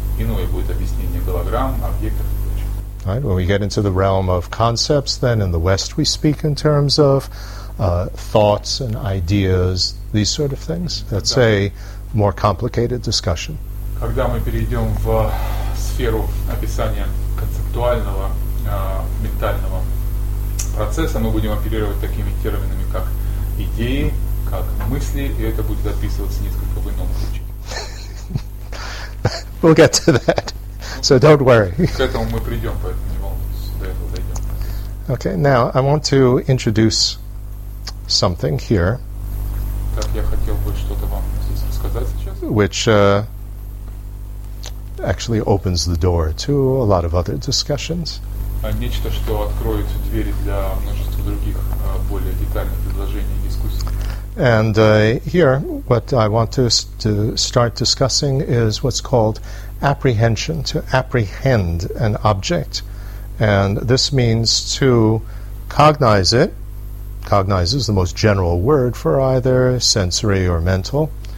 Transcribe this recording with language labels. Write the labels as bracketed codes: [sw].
[en] Right, when we get into the realm of concepts, then in the West we speak in terms of thoughts and ideas, these sort of things. That's a more complicated discussion. [ru] Когда мы перейдем в сферу описания концептуального ментального процесса, мы будем оперировать такими терминами, как идеи, как мысли, и это будет описываться несколько в ином ключе. [en] We'll get to that. So don't worry. [ru] К этому мы придем, поэтому не волнуйтесь, до этого дойдем. [en] Okay, now I want to introduce something here. [ru] Так, я хотел бы что-то вам здесь рассказать сейчас. [en] Which actually opens the door to a lot of other discussions. [ru] Нечто, что откроет двери для множества других более детальных предложений и дискуссий. [en] And here, what I want to start discussing is what's called apprehension, to apprehend an object. And this means to cognize it. Cognize is the most general word for either sensory or mental.